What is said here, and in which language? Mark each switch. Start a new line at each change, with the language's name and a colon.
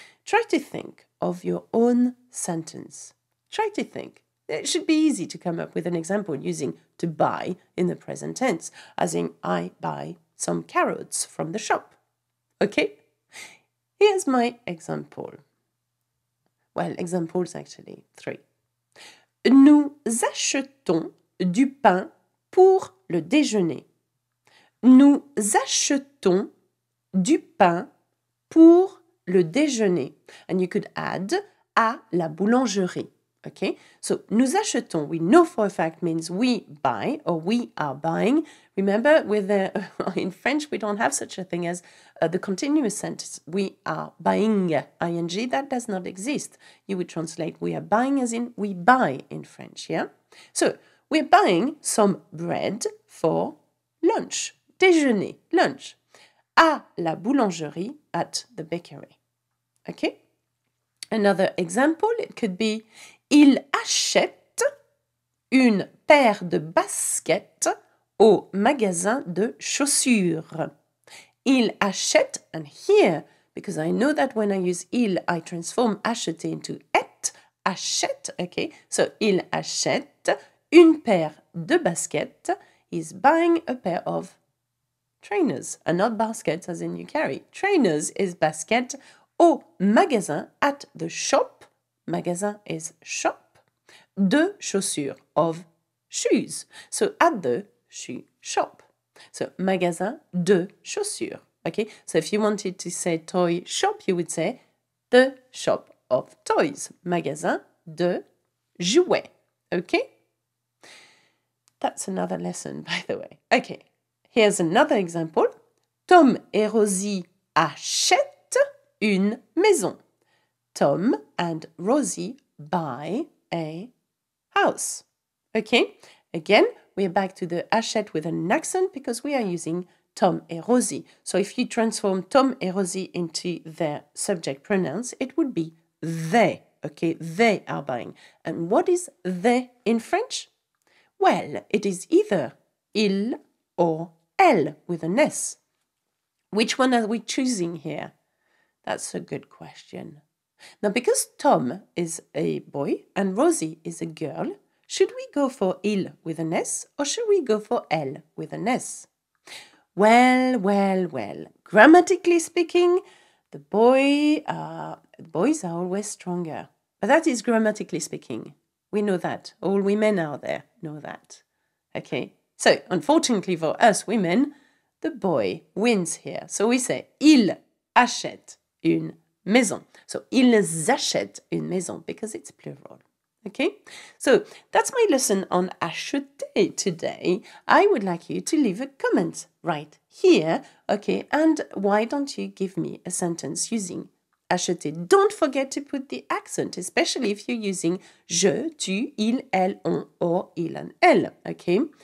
English: Try to think of your own sentence. Try to think. It should be easy to come up with an example using to buy in the present tense, as in I buy some carrots from the shop. Okay? Here's my example. Well, examples actually, three.
French: Nous achetons du pain pour le déjeuner. Nous achetons du pain pour le déjeuner.
English: And you could add
French: à la boulangerie.
English: Okay? So,
French: nous achetons,
English: we know for a fact, means we buy or we are buying. Remember, in French, we don't have such a thing as the continuous sentence. We are buying, ing, that does not exist. You would translate we are buying as in we buy in French, yeah? So, we're buying some bread for lunch. Déjeuner, lunch.
French: À la boulangerie,
English: at the bakery. Okay? Another example, it could be
French: il achète une paire de baskets au magasin de chaussures. Il achète.
English: And here, because I know that when I use il, I transform acheter into être.
French: Achète, okay? So, il achète une paire de baskets.
English: He's buying a pair of trainers. And not baskets, as in you carry. Trainers is basket. Au magasin, at the shop. Magasin is shop.
French: De chaussures,
English: of shoes. So, at the shoe shop. So,
French: magasin de chaussures.
English: Okay, so if you wanted to say toy shop, you would say the shop of toys.
French: Magasin de jouets. Okay?
English: That's another lesson, by the way. Okay, here's another example.
French: Tom et Rosie achètent une maison.
English: Tom and Rosie buy a house. Okay? Again, we're back to the achète with an accent because we are using Tom et Rosie. So if you transform Tom et Rosie into their subject pronouns, it would be they, okay? They are buying. And what is they in French? Well, it is either il or elle with an S. Which one are we choosing here? That's a good question. Now, because Tom is a boy and Rosie is a girl, should we go for il with an S or should we go for elle with an S? Well, well, well, grammatically speaking, boys are always stronger. But that is grammatically speaking. We know that. All we men out there know that. Okay? So, unfortunately for us women, the boy wins here. So we say,
French: ils achètent une maison. So, ils achètent une maison,
English: because it's plural. Okay? So, that's my lesson on acheter today. I would like you to leave a comment right here. Okay? And why don't you give me a sentence using acheter? Don't forget to put the accent, especially if you're using je, tu, il, elle, on, or il and elle. Okay?